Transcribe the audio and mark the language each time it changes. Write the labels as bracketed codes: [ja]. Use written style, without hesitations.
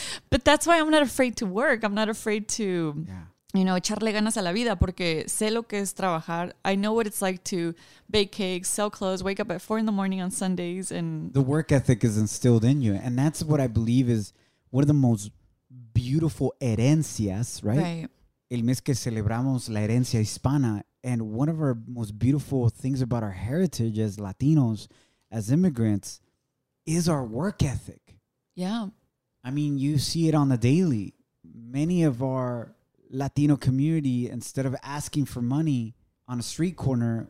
[en] But that's why I'm not afraid to work. I'm not afraid to, you know, [es] echarle ganas a la vida, porque sé lo que es trabajar. [en] I know what it's like to bake cakes, sell clothes, wake up at 4 a.m. on Sundays. And the work ethic is instilled in you. And that's what I believe is one of the most beautiful herencias, right? Right. [es] El mes que celebramos la herencia hispana. [en] And one of our most beautiful things about our heritage as Latinos, as immigrants, is our work ethic. Yeah. I mean, you see it on the daily. Many of our Latino community, instead of asking for money on a street corner,